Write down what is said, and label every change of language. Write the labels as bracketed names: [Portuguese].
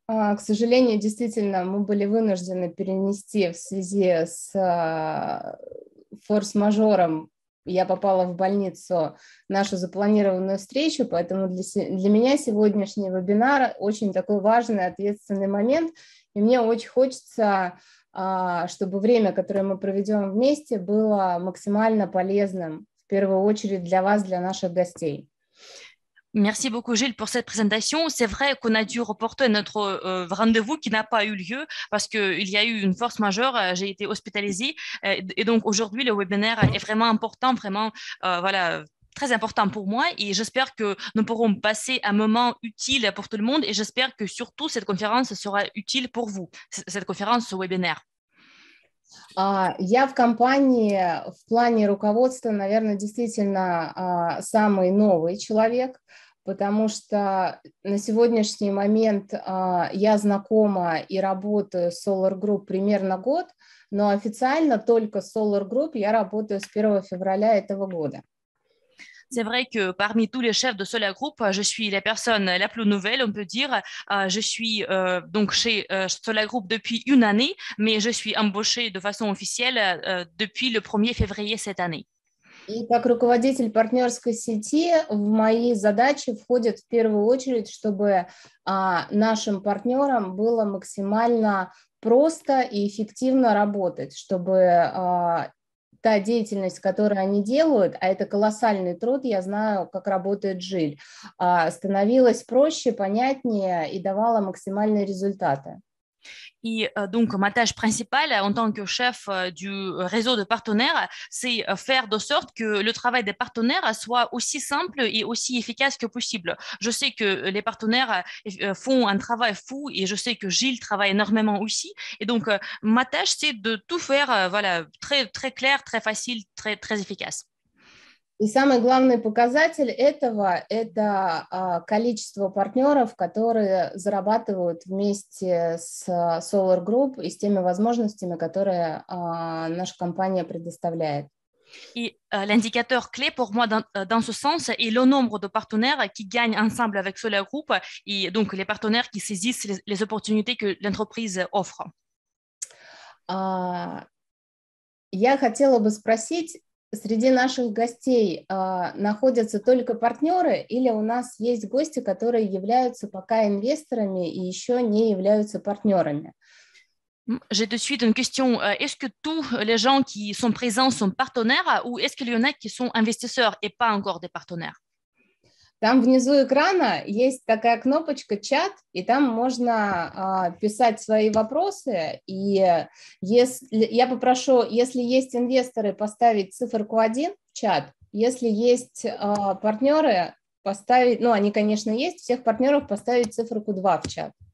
[Russian] К сожалению, действительно, мы были вынуждены перенести в связи с форс-мажором, я попала в больницу, нашу запланированную встречу, поэтому для меня сегодняшний вебинар очень такой важный, ответственный момент, и мне очень хочется, чтобы время, которое мы проведем вместе, было максимально полезным, в первую очередь для вас, для наших гостей. [French] Merci beaucoup, Gilles, pour cette présentation. C'est vrai qu'on a dû reporter notre rendez-vous qui n'a pas eu lieu parce qu'il y a eu une force majeure, j'ai été hospitalisée. Et donc aujourd'hui, le webinaire est vraiment important, vraiment voilà, très important pour moi. Et j'espère que nous pourrons passer un moment utile pour tout le monde. Et j'espère que surtout cette conférence sera utile pour vous, cette conférence, ce webinaire. [Russian] Я в компании в плане руководства, наверное, действительно самый новый человек, потому что на сегодняшний момент я знакома и работаю с Solar Group примерно год, но официально только с Solar Group я работаю с 1 февраля этого года. [French] C'est vrai que parmi tous les chefs de Solar Group, je suis la personne la plus nouvelle, on peut dire. Je suis donc chez Solar Group depuis une année, mais je suis embauchée de façon officielle depuis le 1er février cette année. Et comme [Russian] руководитель партнерской сети, в мои задачи входит в первую очередь, чтобы нашим партнерам было максимально просто и эффективно работать, чтобы та деятельность, которую они делают, а это колоссальный труд, я знаю, как работает Джиль, становилась проще, понятнее и давала максимальные результаты. [French] И, donc, ma tâche principale en tant que chef du réseau de partenaires, c'est faire de sorte que le travail des partenaires soit aussi simple et aussi efficace que possible. Je sais que les partenaires font un travail fou et je sais que Gilles travaille énormément aussi. Et donc, ma tâche, c'est de tout faire, voilà, très, très clair, très facile, très, très efficace. [Russian] И самый главный показатель этого – это количество партнеров, которые зарабатывают вместе с Solar Group и с теми возможностями, которые наша компания предоставляет. [French] И l'indicateur clé pour moi dans ce sens est le nombre de partenaires qui gagnent ensemble avec Solar Group и donc les partenaires qui saisissent les opportunités que l'entreprise offre. [Russian] Я хотела бы спросить, среди наших гостей находятся только партнеры или у нас есть гости, которые являются пока инвесторами и еще не являются партнерами? [French] J'ai de suite une question. Est-ce que tous les gens qui sont présents sont partenaires ou est-ce qu'il y en a qui sont investisseurs et pas encore des partenaires? [Russian] Там внизу экрана есть такая кнопочка «Чат», и там можно писать свои вопросы. И если, я попрошу, если есть инвесторы, поставить циферку 1 в чат. Если есть партнеры, поставить, ну, они, конечно, есть, всех партнеров поставить циферку 2 в чат.